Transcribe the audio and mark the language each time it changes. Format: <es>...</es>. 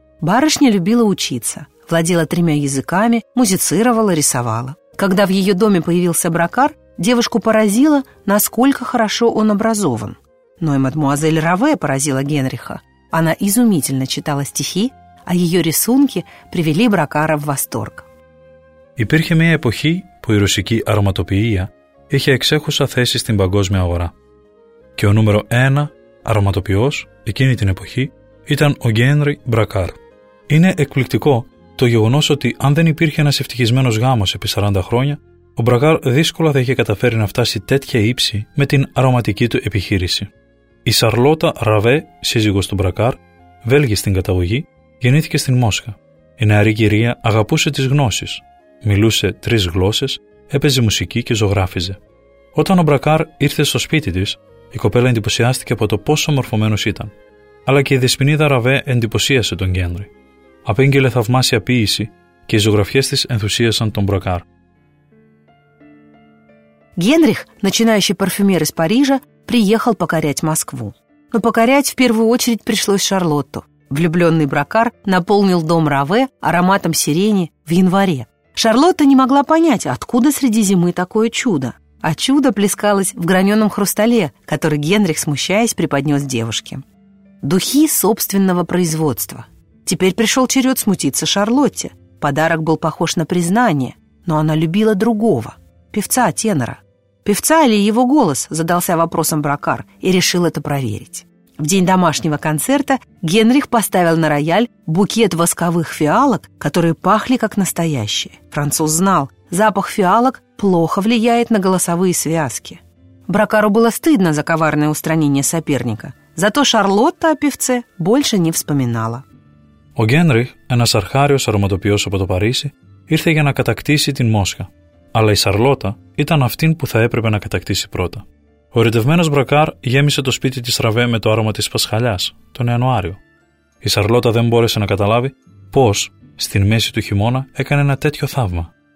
<ru>Барышня любила учиться, владела тремя языками, музицировала, рисовала. Когда в ее доме появился Бракар, девушку поразило, насколько хорошо он образован. Но и мадмуазель Раве поразила Генриха. Она изумительно читала стихи, а ее рисунки привели Бракара в восторг.</ru> <el>Υπήρχε μια εποχή που η ρωσική αρωματοποιία είχε εξέχουσα θέση στην παγκόσμια αγορά. Και ο νούμερο ένα αρωματοποιός εκείνη την εποχή ήταν ο Γκένρι Μπρακάρ. Είναι εκπληκτικό το γεγονός ότι αν δεν υπήρχε ένας ευτυχισμένος γάμος επί 40 χρόνια, ο Μπρακάρ δύσκολα θα είχε καταφέρει να φτάσει τέτοια ύψη με την αρωματική του επιχείρηση. Η Σαρλότα Ραβέ, σύζυγος του Μπρακάρ, Βέλγη στην καταγωγή, γεννήθηκε στην Μόσχα. Η νεαρή κυρία αγαπούσε τις γνώσεις. Μιλούσε τρεις γλώσσες, έπαιζε μουσική και ζωγράφιζε. Όταν ο Μπρακάρ ήρθε στο σπίτι της, η κοπέλα εντυπωσιάστηκε από το πόσο μορφωμένος ήταν. Αλλά και η Δεσποινίδα Ραβέ εντυπωσίασε τον Γκένρι. Απέγγειλε θαυμάσια ποίηση και οι ζωγραφιές της ενθουσίασαν τον Μπρακάρ.</el> <ru>Генрих, начинающий парфюмер из Парижа, приехал покорять Москву. Но покорять в первую очередь пришлось Шарлотту. Влюбленный Бракар наполнил дом Раве ароматом сирени в январе. Шарлотта не могла понять, откуда среди зимы такое чудо. А чудо плескалось в граненом хрустале, который Генрих, смущаясь, преподнес девушке. Духи собственного производства. Теперь пришел черед смутиться Шарлотте. Подарок был похож на признание, но она любила другого. Певца-тенора. Певца или его голос, задался вопросом Бракар и решил это проверить. В день домашнего концерта Генрих поставил на рояль букет восковых фиалок, которые пахли как настоящие. Француз знал, запах фиалок плохо влияет на голосовые связки. Бракару было стыдно за коварное устранение соперника. Зато Шарлотта о певце больше не вспоминала.</ru> <el>О Генрих, ένας αρχάριος αρωματοποιός από το Παρίσι, ήρθε για να κατακτήσει την Μόσχα. Αλλά η Σαρλότα ήταν αυτήν που θα έπρεπε να κατακτήσει πρώτα. Ο ερωτευμένος Μπρακάρ γέμισε το σπίτι της Ραβέ με το άρωμα της Πασχαλιάς, τον Ιανουάριο. Η Σαρλότα δεν μπόρεσε να καταλάβει πώς, στην μέση του χειμώνα, έκανε ένα τέτοιο θαύμα.</el>